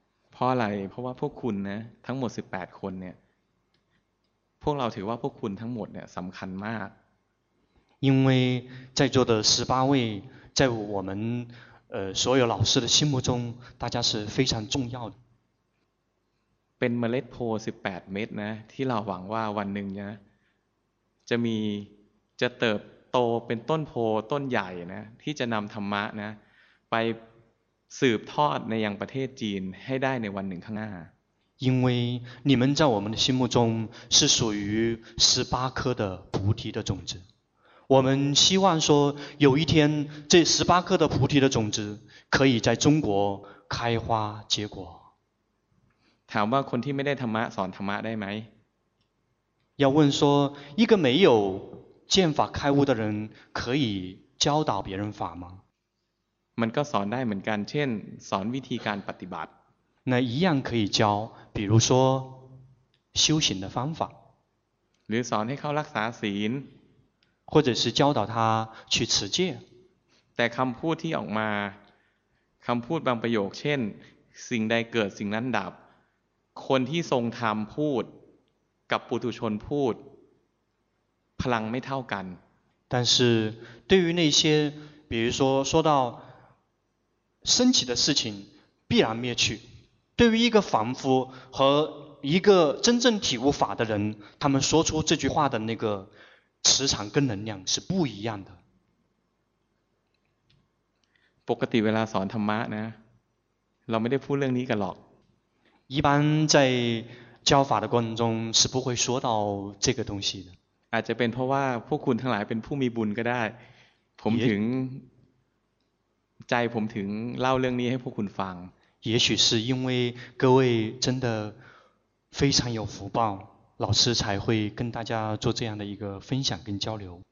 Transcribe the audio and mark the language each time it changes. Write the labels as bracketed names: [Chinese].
[Thai] เพราะอะไรเพราะว่าพวกคุณนะทั้งหมด18คนเนี่ยพวกเราถือว่าพวกคุณทั้งหมดเนี่ยสำคัญมาก [Chinese] 因为在座的十八位在我们所有老师的心目中大家是非常重要的。 [Thai] เป็นเมล็ดโพ18เม็ดนะที่เราหวังว่าวันหนึ่งนะจะมีจะเติบโตเป็นต้นโพต้นใหญ่นะที่จะนำธรรมะนะไปสืบทอดในยังประเทศจีนให้ได้ในวันหนึ่งข้างหน้า。 [Chinese] 因为你们在我们的心目中是属于十八颗的菩提的种子。我们希望说有一天这十八颗的菩提的种子可以在中国开花结果 [Thai] ถามว่าคนที่ไม่ได้ธรรมะสอนธรรมะได้ไหม [Chinese] 要问说一个没有见法开悟的人可以教导别人法吗 [Thai] มันก็สอนได้เหมือนกันเช่นสอนวิธีการปฏิบัติ [Chinese] 那一样可以教比如说修行的方法 [Thai] หรือสอนให้เขารักษาศีล [Chinese] 或者是教导他去持戒 [Thai] แต่คำพูดที่ออกมาคำพูดบางประโยคเช่นสิ่งใดเกิดสิ่งนั้นดับคนที่ทรงธรรมพูดกับปุถุชนพูดพลังไม่เท่ากัน [Chinese] 但是对于那些比如说说到升起的事情必然灭去对于一个凡夫和一个真正体悟法的人他们说出这句话的那个磁场跟能量是不一样的。 [Thai] ปกติเวลาสอนธรรมะนะเราไม่ได้พูดเรื่องนี้กันหรอก。 [Chinese] 一般在教法的过程中是不会说到这个东西的。 [Thai] อาจจะเป็นเพราะว่าพวกคุณทั้งหลายเป็นผู้มีบุญก็ได้ผมถึงใจผมถึงเล่าเรื่องนี้ให้พวกคุณฟัง。 [Chinese] 也许是因为各位真的非常有福报。老师才会跟大家做这样的一个分享跟交流。